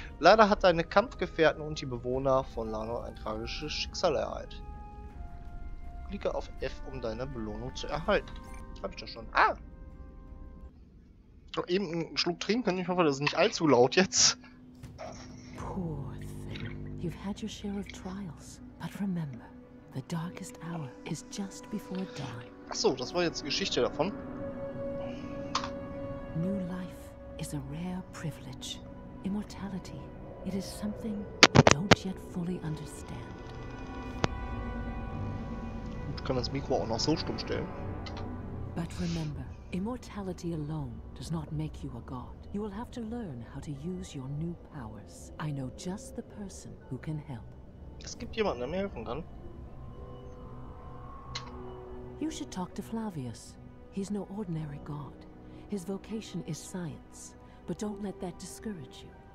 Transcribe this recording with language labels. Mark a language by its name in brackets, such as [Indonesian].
[German] Leider hat deine Kampfgefährten und die Bewohner von Lano ein tragisches Schicksal ereilt. Klicke auf F, um deine Belohnung zu erhalten. Hab ich doch schon. Ah! Oh, eben einen Schluck trinken. Ich hoffe, das ist nicht allzu laut jetzt. [English] Poor thing. You've had your share of trials. But remember, the darkest hour is just before dawn. [German] Achso, das war jetzt die Geschichte davon. [English] New life is a rare privilege. Immortality, it is something we don't yet fully understand. [German] Ich kann das Mikro auch noch so stumm stellen. [English] But remember, immortality alone does not make you a god. You will have to learn how to use your new powers. I know just the person who can help. [German] Es gibt jemanden, der mir helfen kann. [English] You should talk to Flavius. He's no ordinary god. His vocation is science, but don't let that discourage you.